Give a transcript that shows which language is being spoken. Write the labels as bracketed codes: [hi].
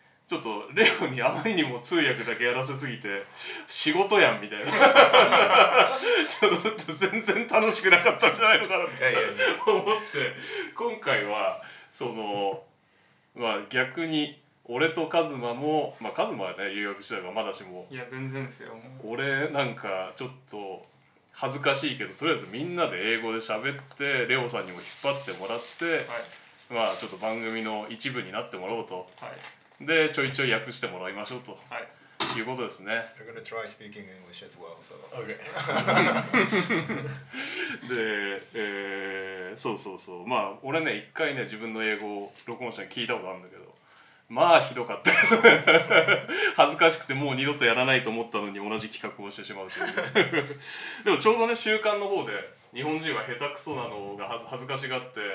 [ja] ちょっとレオにあまりにも通訳だけやらせすぎて仕事やんみたいなちょっと全然楽しくなかったんじゃないのかなって思って今回はそのまあ逆に俺とカズマも、まあカズマはね留学してたからまだしも、いや全然ですよ、俺なんかちょっと恥ずかしいけど、とりあえずみんなで英語で喋ってレオさんにも引っ張ってもらって、はい、まあちょっと番組の一部になってもらおうと、はい、で、ちょいちょい訳してもらいましょうと、はい、いうことですね。 [en] I'm gonna try speaking English as well, so... [ja] OK で、そうそうそう、まあ、俺ね、一回ね、自分の英語を録音したの聞いたことあるんだけど、まあ、ひどかった恥ずかしくて、もう二度とやらないと思ったのに同じ企画をしてしまうというでも、ちょうどね、週刊の方で日本人は下手くそなのが恥ずかしがって、